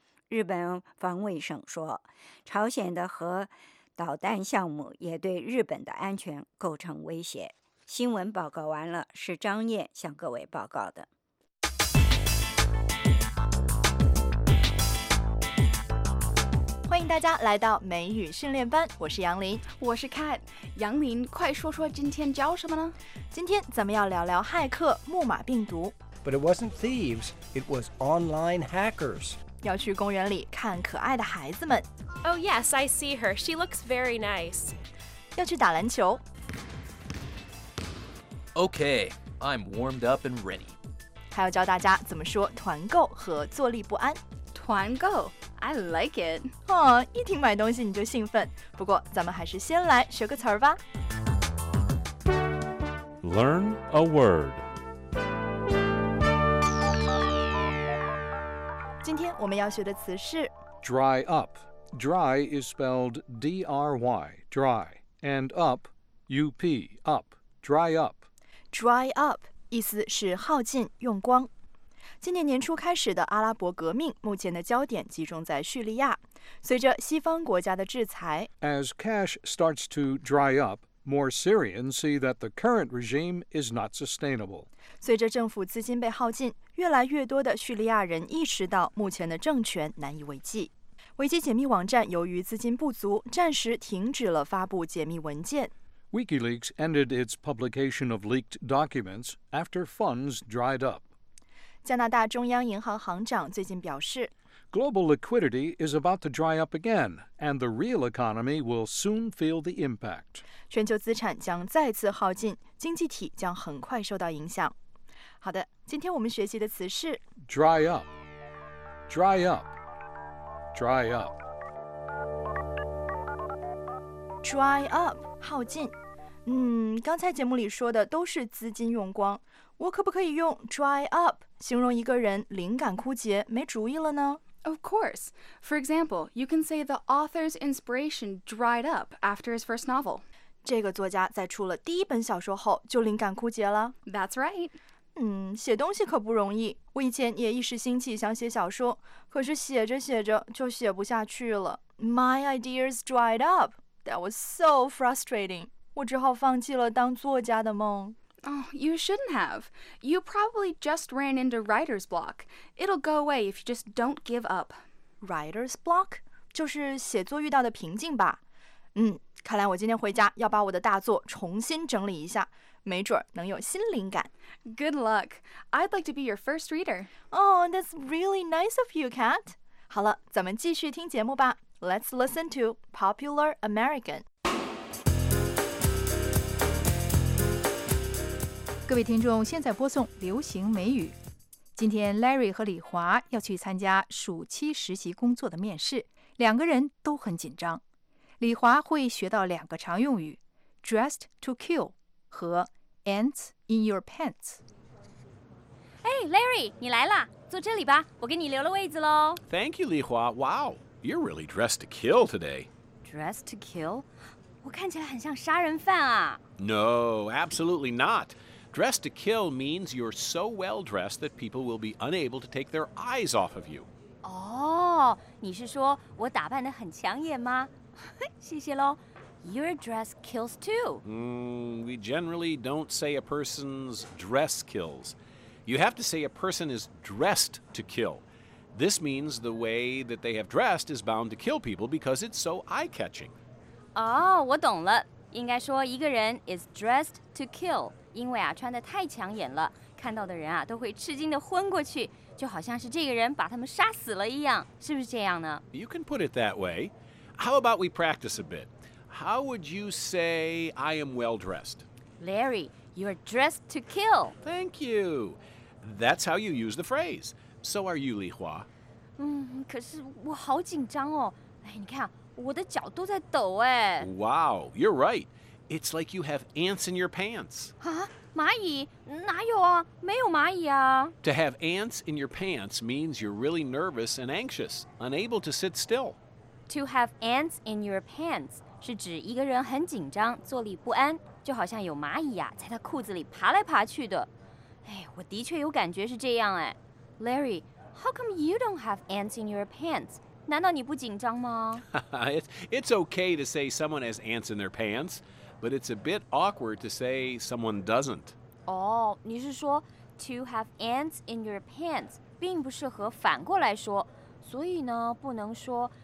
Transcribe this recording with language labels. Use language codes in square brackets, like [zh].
[zh] 日本防卫省说，朝鲜的核导弹项目也对日本的安全构成威胁。新闻报告完了，是张燕向各位报告的。欢迎大家来到美语训练班，我是杨林，我是 Kat。杨林，快说说今天教什么呢？今天咱们要聊聊骇客木马病毒。 [en] But it wasn't thieves, it was online hackers. [zh] 要去公园里看可爱的孩子们。 [en] Oh yes, I see her, she looks very nice. [zh] 要去打篮球。 [en] Okay, I'm warmed up and ready. [zh] 还要教大家怎么说团购和坐立不安。 [en] 团购，I like it. [zh] 哦，一听买东西你就兴奋。不过咱们还是先来学个词儿吧。 [en] Learn a word. [zh] 今天我们要学的词是 [en] dry up. Dry is spelled D-R-Y, dry, and up, U-P, up, dry up. Dry up, [zh] 意思是耗尽、用光。今年年初开始的阿拉伯革命，目前的焦点集中在叙利亚。随着西方国家的制裁 [en] ，As cash starts to dry up, more Syrians see that the current regime is not sustainable. [zh] 随着政府资金被耗尽，越来越多的叙利亚人意识到目前的政权难以为继。危机解密网站由于资金不足，暂时停止了发布解密文件。 [en] WikiLeaks ended its publication of leaked documents after funds dried up. [zh] 加拿大中央银行行长最近表示 [en] Global liquidity is about to dry up again, and the real economy will soon feel the impact. [zh] 全球资产将再次耗尽，经济体将很快受到影响。好的，今天我们学习的词是 [en] dry up, dry up, dry up. Dry up, 耗尽。 [zh] 刚才节目里说的都是资金用光，我可不可以用 dry up 形容一个人灵感枯竭，没主意了呢？ [en] Of course. For example, you can say the author's inspiration dried up after his first novel. [zh] 这个作家在出了第一本小说后就灵感枯竭了。 [en] That's right. [zh] 写东西可不容易。我以前也一时兴起想写小说，可是写着写着就写不下去了。 [en] My ideas dried up. That was so frustrating. [zh] 我只好放弃了当作家的梦。 [en] Oh, you shouldn't have. You probably just ran into writer's block. It'll go away if you just don't give up. Writer's block? [zh] 就是写作遇到的瓶颈吧。看来我今天回家要把我的大作重新整理一下，没准能有新灵感。 [en] Good luck. I'd like to be your first reader. Oh, that's really nice of you, Kat. [zh] 好了，咱们继续听节目吧。 [en] Let's listen to Popular American. [zh] 各位听众，现在播送流行美语。今天 Larry 和李华要去参加暑期实习工作的面试，两个人都很紧张。李华会学到两个常用语 dressed to kill 和 ants in your pants。 [en] Hey Larry， [zh] 你来了，坐这里吧，我给你留了位子喽。 [en] Thank you 李华。 Wow， you're really dressed to kill today。 Dressed to kill？ [zh] 我看起来很像杀人犯啊。 [en] No， absolutely notDressed to kill means you're so well-dressed that people will be unable to take their eyes off of you. [zh] Oh, 你是说我打扮得很抢眼吗？谢谢咯。 [en] Your dress kills too. We generally don't say a person's dress kills. You have to say a person is dressed to kill. This means the way that they have dressed is bound to kill people because it's so eye-catching. [zh] Oh, 我懂了。应该说一个人 [en] is dressed to kill. [zh] 因为啊，穿得太抢眼了，看到的人啊都会吃惊地昏过去，就好像是这个人把他们杀死了一样，是不是这样呢？ [en] You can put it that way. How about we practice a bit? How would you say I am well dressed? Larry, you're dressed to kill. Thank you. That's how you use the phrase. So are you, Li Hua. [zh] 可是我好紧张哦。哎，你看我的脚都在抖哎。 [en] Wow, you're right. It's like you have ants in your pants. [zh] 啊，蚂蚁？哪有啊？没有蚂蚁啊。 [en] To have ants in your pants means you're really nervous and anxious, unable to sit still. To have ants in your pants [zh] 是指一个人很紧张，坐立不安，就好像有蚂蚁啊，在他裤子里爬来爬去的。哎，我的确有感觉是这样哎。 [en] Larry, how come you don't have ants in your pants? [zh] 难道你不紧张吗？ [en] It's okay to say someone has ants in their pants, but it's a bit awkward to say someone doesn't. [zh] Oh, 你是说 [en] to have ants in your pants [zh] 并不适合反过来说，所以呢，不能说